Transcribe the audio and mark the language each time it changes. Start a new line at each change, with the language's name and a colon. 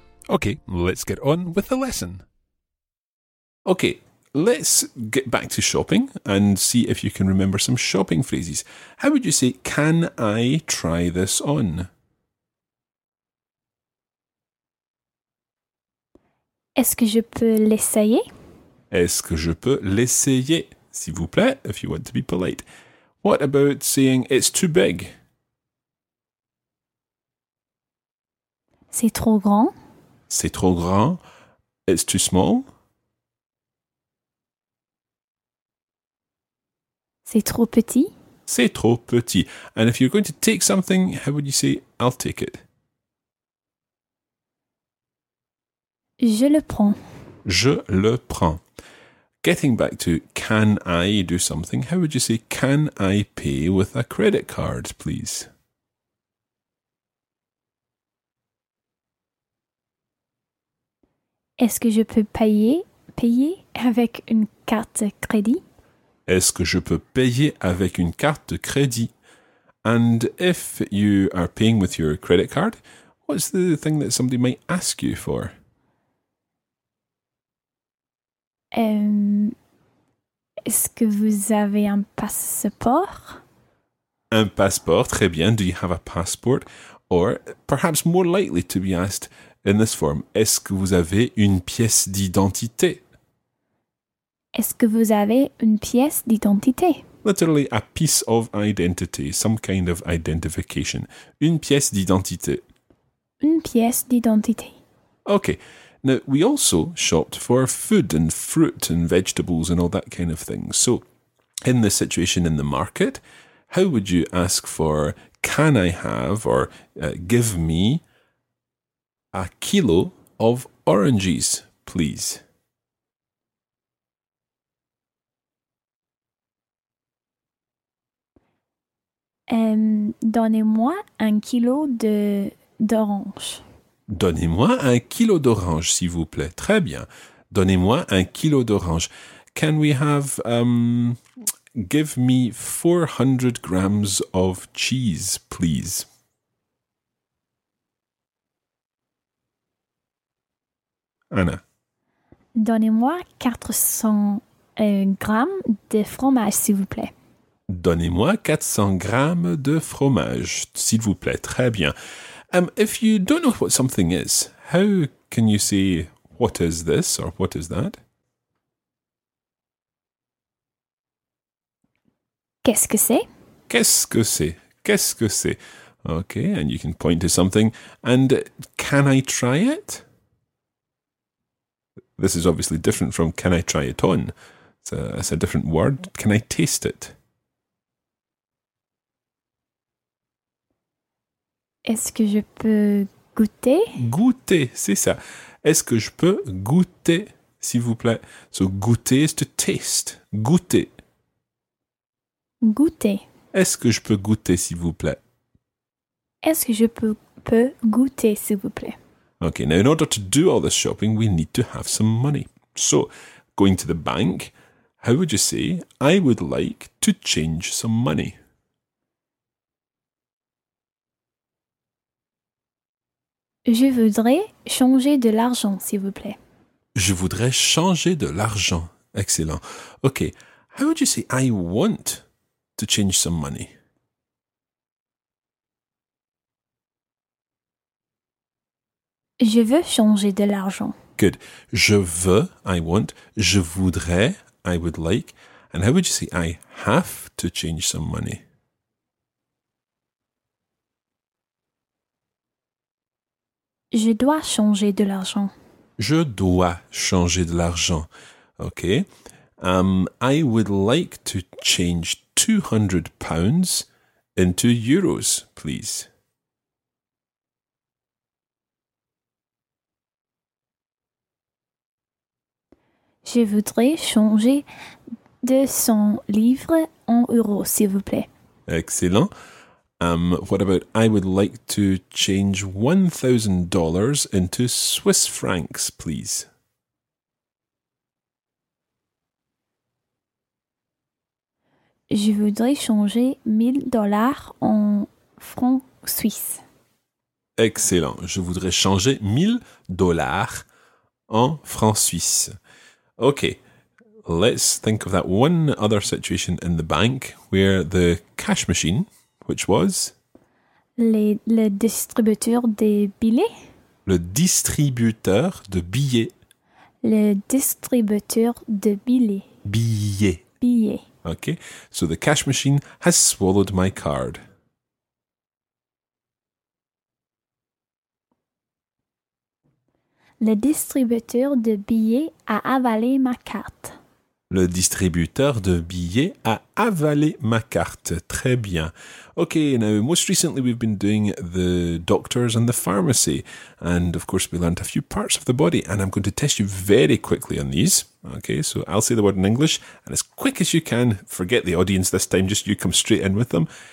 English: Okay, let's get on with the lesson. Okay, let's get back to shopping and see if you can remember some shopping phrases. How would you say, can I try this on?
French: Est-ce que je peux l'essayer? Est-ce que je peux l'essayer, s'il vous plaît,
English: if you want to be polite. What about saying, it's too big?
French: C'est trop grand. C'est trop grand.
English: It's too small.
French: C'est trop petit. C'est trop petit.
English: And if you're going to take something, how would you say, I'll take it?
French: Je le prends. Je le prends.
English: Getting back to, can I do something? How would you say, can I pay with a credit card, please?
French: Est-ce que je peux payer avec une carte crédit? Est-ce que je peux payer avec une carte de crédit?
English: And if you are paying with your credit card, what's the thing that somebody might ask you for?
French: Est-ce que vous avez un passeport? Un passeport, très bien.
English: Do you have a passport? Or perhaps more likely to be asked in this form,
French: est-ce que vous avez une pièce d'identité? Est-ce que vous avez une pièce d'identité?
English: Literally, a piece of identity, some kind of identification.
French: Une pièce d'identité. Une pièce d'identité.
English: Okay. Now, we also shopped for food and fruit and vegetables and all that kind of thing. So, in this situation in the market, how would you ask for, can I have or give me a kilo of oranges, please?
French: Donnez-moi un kilo d'orange. Donnez-moi un kilo d'orange, s'il vous plaît. Très bien. Donnez-moi un kilo d'orange.
English: Can we have, give me 400 grams of cheese, please? Anna.
French: Donnez-moi 400 grammes de fromage, s'il vous plaît. Donnez-moi 400 grammes de fromage, s'il vous plaît. Très bien.
English: If you don't know what something is, how can you say, what is this or what is that?
French: Qu'est-ce que c'est? Qu'est-ce que c'est? Qu'est-ce que c'est?
English: Okay, and you can point to something. And can I try it? This is obviously different from can I try it on. It's a different word. Can I taste it?
French: Est-ce que je peux goûter? Goûter, c'est ça. Est-ce que je peux goûter, s'il vous plaît?
English: So, goûter is to taste. Goûter.
French: Goûter. Est-ce que je peux goûter, s'il vous plaît? Est-ce que je peux goûter, s'il vous plaît?
English: Okay, now in order to do all this shopping, we need to have some money. So, going to the bank, how would you say, I would like to change some money?
French: Je voudrais changer de l'argent, s'il vous plaît. Je voudrais changer de l'argent.
English: Excellent. Okay. How would you say I want to change some money?
French: Je veux changer de l'argent.
English: Good.
French: Je veux,
English: I want.
French: Je voudrais,
English: I would like. And how would you say I have to change some money?
French: Je dois changer de l'argent. Je dois changer de l'argent.
English: OK. I would like to change 200 pounds into euros, please.
French: Je voudrais changer 200 livres en euros, s'il vous plaît.
English: Excellent. What about, I would like to change $1,000 into Swiss francs, please.
French: Je voudrais changer $1,000 en francs suisses.
English: Excellent.
French: Je voudrais changer 1,000 dollars en francs suisses.
English: Okay, let's think of that one other situation in the bank where the cash machine, which was?
French: Le distributeur de billets. Le distributeur de billets. Le distributeur de billets. Billets. Billets.
English: Okay, so the cash machine has swallowed my card.
French: Le distributeur de billets a avalé ma carte. Le distributeur de billets a avalé ma carte. Très bien.
English: Okay, now, most recently we've been doing the doctors and the pharmacy. And, of course, we learned a few parts of the body. And I'm going to test you very quickly on these. Okay, so I'll say the word in English. And as quick as you can, forget the audience this time, just you come straight in with them.